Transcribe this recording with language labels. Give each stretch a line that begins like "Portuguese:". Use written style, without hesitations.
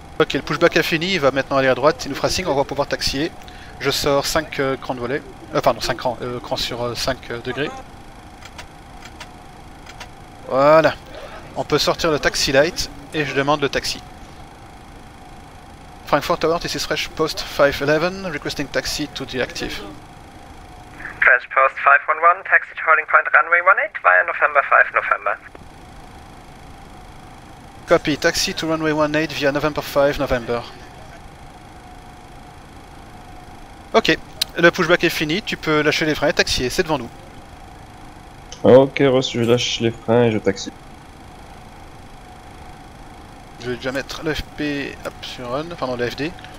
French: Ok, le pushback a fini, il va maintenant aller à droite, il nous fera signe, on va pouvoir taxier. Je sors 5 crans de volet. Pardon, 5 crans. Crans sur 5 degrés. Voilà. On peut sortir le taxi light et je demande le taxi.
English: Frankfurt Tower, this is Fresh Post 511, requesting taxi to the active. Fresh Post 511, taxi to holding point runway 18 via November 5 November. Copy, taxi to runway 18 via November 5 November.
French: Ok, le pushback est fini, tu peux lâcher les freins et taxier, c'est devant nous. Ok, reçu, je lâche les freins et je taxi. Je vais déjà mettre le FP hop, sur run, enfin non, le FD.